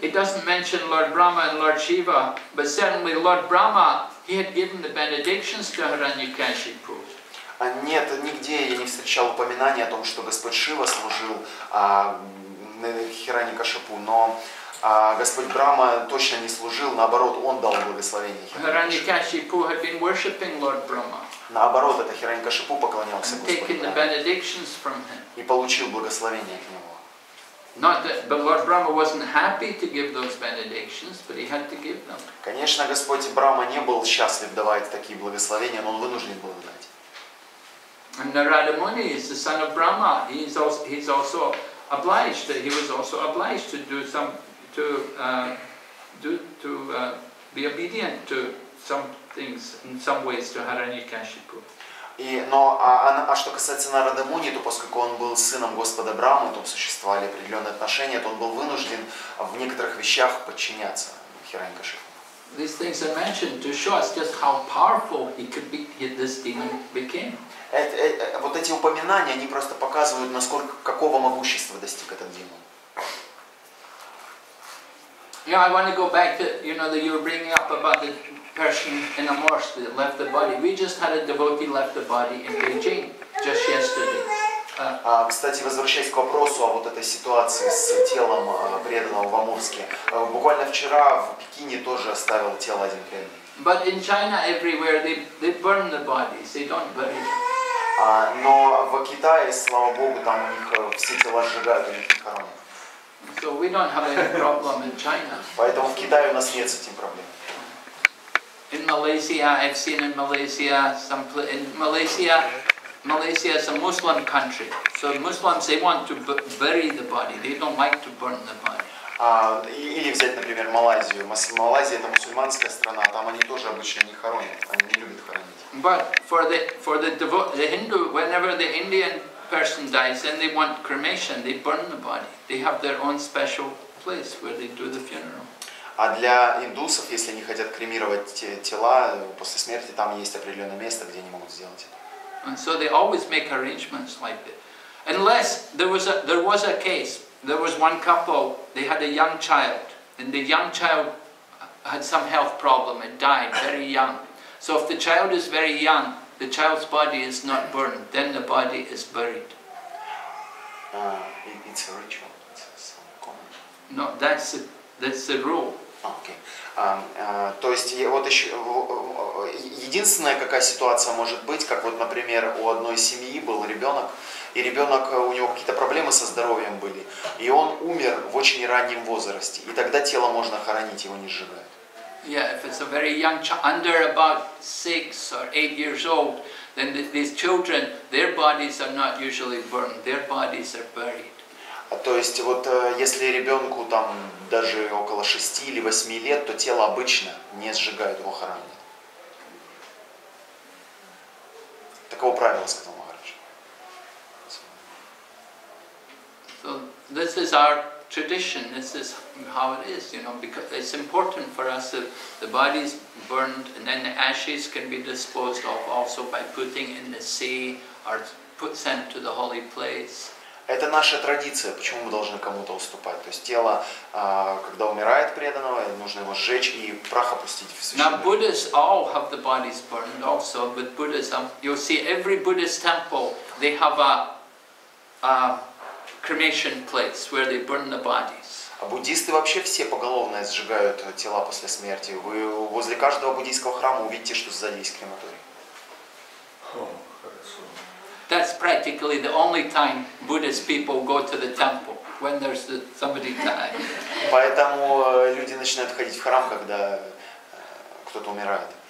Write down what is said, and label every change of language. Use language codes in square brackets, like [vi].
[en] It doesn't mention Lord Brahma and Lord Shiva, but certainly Lord Brahma, he had given the benedictions to Hirani Kashipu. [ru] Нет, нигде я не встречал упоминания о том, что Господь Шива служил Хирани Кашипу, но Господь Брама точно не служил, наоборот, он дал благословение [en] Хирани Кашипу. Had been worshiping Lord Brahma. [ru] Наоборот, это Хирани Кашипу поклонялся Господу. [en] And taking the benedictions from him. [ru] И получил благословение от него. [en] But Lord Brahma wasn't happy to give those benedictions, but he had to give them. [ru] Конечно, Господь Брама не был счастлив давать такие благословения, но он вынужден был дать. [en] And Narada Muni is the son of Brahma. He's also obliged. He was also obliged to do some to be obedient to some things in some ways to Hiranyakashipu. [ru] Но что касается Нарада Муни, то поскольку он был сыном Господа Брамы, то существовали определенные отношения, то он был вынужден в некоторых вещах подчиняться Хираньякашипу. [en] these things are mentioned to show us just how powerful he could be, this demon became. [ru] Вот эти упоминания, они просто показывают, насколько какого могущества достиг этот демон. [en] Yeah, I want to go back to, you know, that you were bringing up about the person in Amors that left the body. We just had a devotee left the body in Beijing just yesterday. [ru] Кстати, возвращаясь к вопросу о вот этой ситуации с телом преданного в Амурске, буквально вчера в Пекине тоже оставил тело один преданный. [en] But in China everywhere they burn the bodies, they don't burn it. [ru] Но в Китае, слава богу, там у них все тела сжигают, у них не хоронят. [en] So we don't have any problem in China. [ru] Поэтому в Китае у нас нет с этим проблем. [en] In Malaysia, I've seen in Malaysia some in Malaysia. Malaysia is a Muslim country, so Muslims they want to bury the body. They don't like to burn the body. [ru] Или взять, например, Малайзию. Малайзия это мусульманская страна, там они тоже обычно не хоронят, они не любят хоронить. [en] But for the Hindu, whenever the Indian person dies, then they want cremation. They burn the body. They have their own special place where they do the funeral. [ru] А для индусов, если они хотят кремировать тела после смерти, там есть определенное место, где они могут сделать это. [en] And so they always make arrangements like that. Unless there was a case, there was one couple, they had a young child, and the young child had some health problem and died very young. So if the child is very young, the child's body is not burned, then the body is buried. It's a ritual, it's so common. No, that's the rule. Okay. [ru] То есть вот еще единственная какая ситуация может быть, как вот, например, у одной семьи был ребенок, и ребенок, у него какие-то проблемы со здоровьем были, и он умер в очень раннем возрасте, и тогда тело можно хоронить, его не сжигают. [en] Yeah, if it's a very young child, under about 6 or 8 years old, then these children, their bodies are not usually burned, their bodies are buried. [ru] То есть вот если ребенку там даже около 6 или 8 лет, то тело обычно не сжигают, его хоронят. Таково правило, сказал Махарадж. [en] So this is our tradition, this is how it is, you know, because it's important for us that the body is burned and then the ashes can be disposed of also by putting in the sea or put sent to the holy place. [ru] Это наша традиция, почему мы должны кому-то уступать. То есть тело, когда умирает преданного, нужно его сжечь и прах опустить в священную. [en] Now Buddhists all have the bodies burned also, but Buddhism, you'll see every Buddhist temple, they have a cremation place where they burn the bodies. [ru] А буддисты вообще все поголовно сжигают тела после смерти. Вы возле каждого буддийского храма увидите, что сзади есть крематорий. [en] That's practically the only time Buddhist people go to the temple when there's somebody dying. [ru] Поэтому люди начинают ходить в храм, когда кто-то умирает.